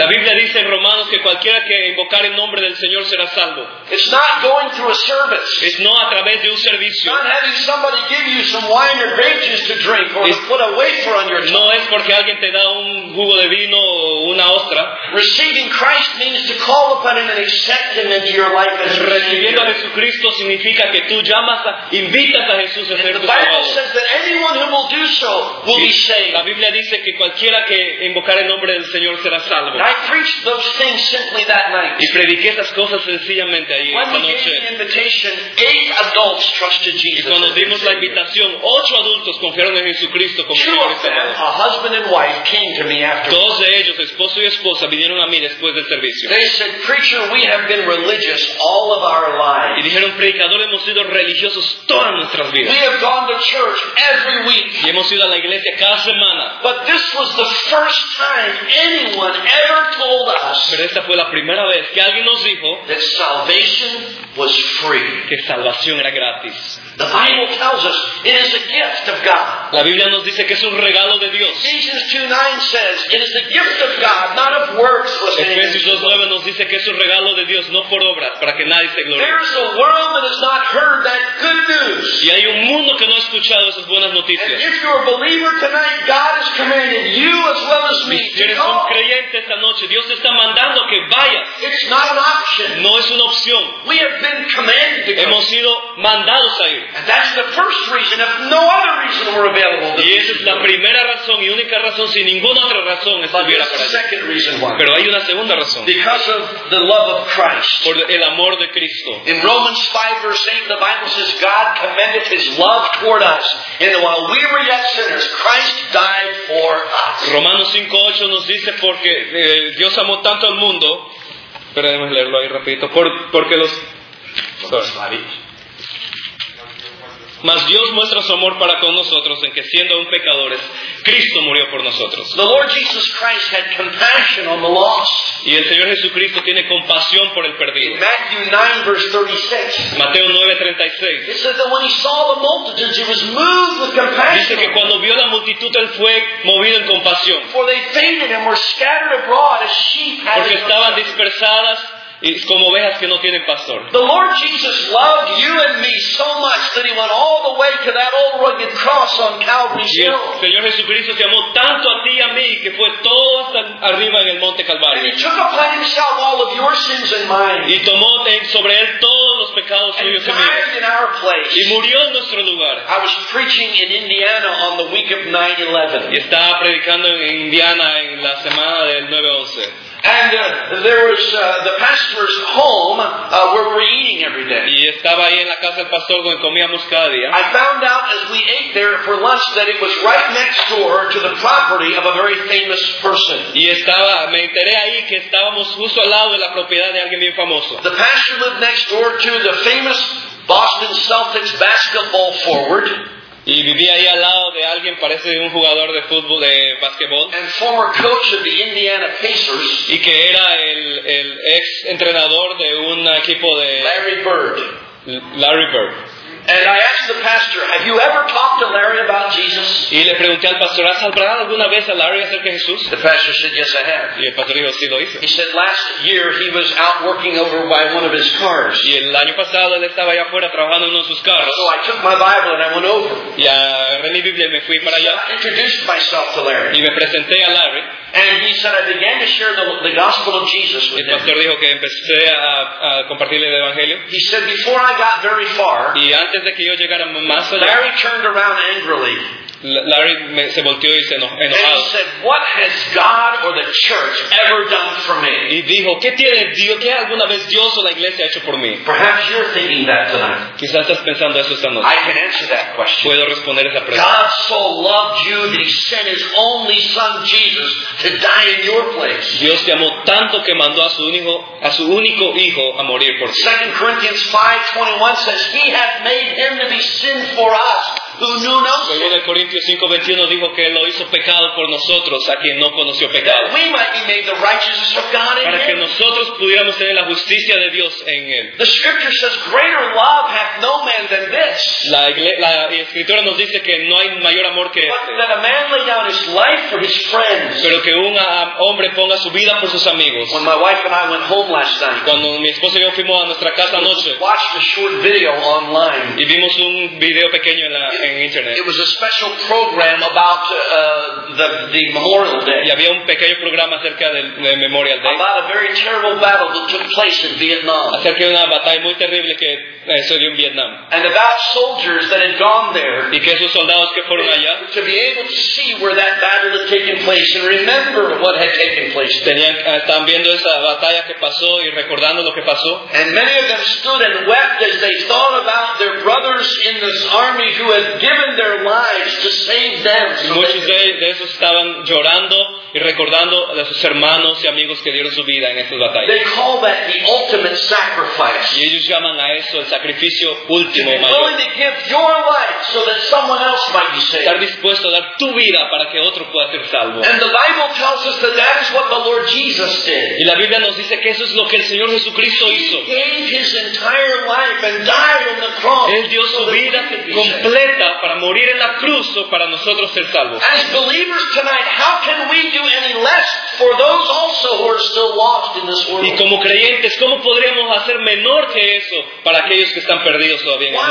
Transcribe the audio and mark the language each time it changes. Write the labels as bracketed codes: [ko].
[es] La Biblia dice en Romanos que cualquiera que invocar el nombre del Señor será salvo. [en] It's not going through a service. [es] Es no a través de un servicio. [en] It's not having somebody give you some wine or grape juice to drink or to put a wafer on your tongue. [es] No es porque alguien te da un jugo de vino o una ostra. [en] Receiving Christ means to call upon Him and accept Him into your life as Savior. [es] Recibiendo a Jesucristo significa que tú llamas, invitas a Jesús a ser tu Salvador. [en] And the Bible says that anyone who will do so will be saved. [es] La Biblia dice que cualquiera que invocar el nombre del Señor será salvo. [en] I preached those things simply that night. [es] Y prediqué esas cosas sencillamente ahí esa noche. [en] When we gave the invitation, 8 adults trusted Jesus. [es] Y cuando dimos la invitación, 8 adultos confiaron en Jesucristo como Señor y Salvador. [en] A husband and wife came to me after. [es] Dos de ellos, esposo y esposa, vinieron a mí después del servicio. [en] They said, "Preacher, we have been religious all of our lives." [es] Y dijeron, predicador, hemos sido religiosos todas nuestras vidas. [en] We have gone to church every week. [es] Y hemos ido a la iglesia cada semana. [en] But this was the first time anyone ever told us. [es] Pero esta fue la primera vez que alguien nos dijo [en] that salvation was free. [es] Que salvación era gratis. [en] The Bible tells us it is a gift of God. [es] La Biblia nos dice que es un regalo de Dios. [en] Ephesians 2:9 says it is a gift of God, not of works. [es] Efesios 2:9 nos dice que es un regalo de Dios, no por obras, para que nadie se glorie. [en] There is a world that has not heard that good news. [es] Y hay un mundo que no ha escuchado esas buenas noticias. [en] And if you're a believer tonight, God has commanded you as well as me. [es] Si eres un creyente esta noche, Dios te está mandando que vayas. [en] It's not an option. [es] No es una opción. [en] We have been commanded to go. [es] Hemos sido mandados a ir. [en] And that's the first reason, if no other reason were available. [es] Y esa es la primera razón y única razón, si ninguna otra razón estuviera para ello. [en] Second reason why. [es] Pero hay una segunda razón. [en] Because of the love of Christ. [es] Por el amor de Cristo. [en] In Romans 5 verse 8, the Bible says, "God commended His love toward us, and while we were yet sinners, Christ died for us." [es] Romanos 5:8 nos dice porque Dios amó tanto al mundo. Pero déjenme leerlo ahí rapidito. Porque los. Mas Dios muestra su amor para con nosotros en que siendo aún pecadores, Cristo murió por nosotros. [en] The Lord Jesus Christ had compassion on the lost. [es] Y el Señor Jesucristo tiene compasión por el perdido. [en] In Matthew 9:36. [es] Mateo 9:36. [en] It says that when He saw the multitudes, He was moved with compassion. [es] Dice que cuando vio la multitud, Él fue movido en compasión. [en] For they fainted and were scattered abroad as sheep having no shepherd. [es] Porque estaban dispersadas. Y como ovejas que no tienen pastor. [en] The Lord Jesus loved you and me so much that He went all the way to that old rugged cross on Calvary's hill. [es] Señor Jesucristo te amó tanto a ti y a mí que fue todo hasta arriba en el monte Calvario. [en] And He took upon Himself all of your sins and mine. [es] Y tomó sobre Él todos los pecados suyos y míos. [en] And died in our place. [es] Y murió en nuestro lugar. [en] I was preaching in Indiana on the week of 9/11. [es] Y estaba predicando en Indiana en la semana del 9/11. [en] And there was the pastor's home where we were eating every day. [es] Y estaba ahí en la casa del pastor donde comíamos cada día. [en] I found out as we ate there for lunch that it was right next door to the property of a very famous person. [es] Y estaba, me enteré ahí que estábamos justo al lado de la propiedad de alguien bien famoso. [en] The pastor lived next door to the famous Boston Celtics basketball forward. [es] Y vivía ahí al lado de alguien, parece un jugador de fútbol, de básquetbol. [en] And former coach of the Indiana Pacers. [es] Y que era el ex entrenador de un equipo de [en] Larry Bird. Larry Bird. And I asked the pastor, "Have you ever talked to Larry about Jesus?" [es] Y le pregunté al pastor, ¿has hablado alguna vez a Larry acerca de Jesús? [en] The pastor said, "Yes, I have." [es] Y el pastor dijo, sí, lo hice. [en] He said, "Last year he was out working over by one of his cars." [es] Y el año pasado él estaba allá afuera trabajando en uno de sus carros. [en] So I took my Bible and I went over. [es] Y agarré mi Biblia y me fui para allá. [en] So I introduced myself to Larry. [es] Y me presenté a Larry. [en] And he said, "I began to share the gospel of Jesus with him." [es] El pastor dijo que empecé a compartirle el evangelio. [en] He said, "Before I got very far," [es] y antes de que yo llegara más allá, [en] Larry turned around angrily. [es] Larry se volteó y se enojado. [en] And he said, "What has God or the church ever done for me?" [es] Y dijo, ¿qué tiene Dios, qué alguna vez Dios o la iglesia ha hecho por mí? [en] Perhaps you're thinking that tonight. [es] Quizás estás pensando eso esta noche. [en] I can answer that question. [es] Puedo responder esa pregunta. [en] God so loved you that he sent his only son Jesus to die in your place. [es] Dios te amó tanto que mandó a su único hijo a morir por ti. [en] 2 Corinthians 5:21 says, "He hath made him to be sin for us." [es] Según el Corintios 5:21 dijo que él lo hizo pecado por nosotros a quien no conoció pecado. [en] We might be made the righteousness of God in [es] para que nosotros pudiéramos tener la justicia de Dios en él. [en] The scripture says, "Greater love hath no man than this." [es] La escritura nos dice que no hay mayor amor que [en] that a man lay down his life for his friends. [es] Pero que un hombre ponga su vida por sus amigos. [en] When my wife and I went home last night, [es] cuando mi esposa y yo fuimos a nuestra casa anoche, [en] watched a short video online. [es] Y vimos un video pequeño en la [en] It was a special program about the Memorial Day. [es] Y había un pequeño programa acerca del Memorial Day. [en] About a very terrible battle that took place in Vietnam. [es] Acerca de una batalla muy terrible que sucedió en Vietnam. [en] And about soldiers that had gone there. [es] Y que esos soldados que fueron allá. [en] To be able to see where that battle had taken place and remember what had taken place. [es] Tenían estaban viendo esa batalla que pasó y recordando lo que pasó. [en] And many of them stood and wept as they thought about their brothers in this army who had given their lives to save them. [es] Muchos de esos estaban llorando y recordando a sus hermanos y amigos que dieron su vida en estas batallas. [en] They call that the ultimate sacrifice. [es] Y ellos llaman a eso el sacrificio último. [en] To be willing to give your life so that someone else might be saved. [es] Estar dispuesto a dar tu vida para que otro pueda ser salvo. [en] And the Bible tells us that that is what the Lord Jesus did. [es] Y la Biblia nos dice que eso es lo que el Señor Jesucristo hizo. [en] He gave his entire life and died on the cross. [es] Él dio su vida completa para morir en la cruz o para nosotros ser salvos. [en] As believers tonight, how can we do any less for those also who are still lost in this world? [es] Y como creyentes, ¿cómo podríamos hacer menor que eso para aquellos que están perdidos todavía en el mundo?